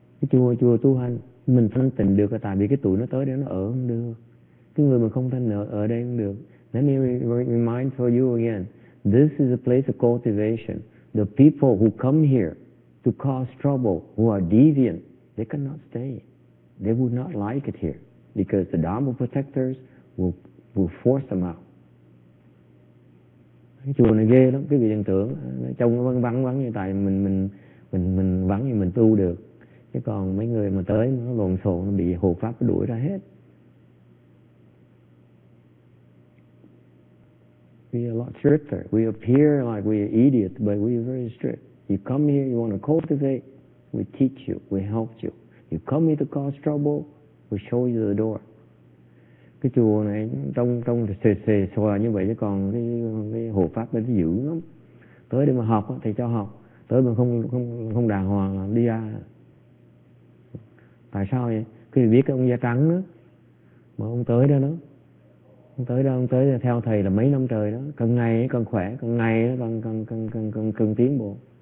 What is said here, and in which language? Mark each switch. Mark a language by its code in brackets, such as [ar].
[vi] chùa tu hành mình thanh tịnh được là tại vì cái tụi nó tới đây nó ở không được, cái người mà không thanh nở ở đây không được. [en] Let me remind for you again, this is a place of cultivation. The people who come here to cause trouble, who are deviant, they cannot stay. They would not like it here because the Dharma protectors will force them out. [vi] Chùa này ghê lắm, quý vị đừng tưởng trong nó vắng như tại mình vắng thì mình tu được. Chứ còn mấy người mà tới nó lộn xộn, nó bị hộ pháp đuổi ra hết. [en] We are a lot stricter. We appear like we are idiots, but we are very strict. You come here, you want to cultivate, We teach you, we help you. You come here to cause trouble, we show you the door. [vi] Cái chùa này trong trong xề xề xòa như vậy chứ còn cái hộ pháp nó dữ lắm. Tới để mà học thì cho học, tới mà không đàng hoàng đi ra. Tại sao vậy? Cái gì biết cái ông da trắng đó mà ông tới đó đó. Ông tới là theo thầy là mấy năm trời đó, càng ngày càng khỏe, càng ngày càng tiến bộ.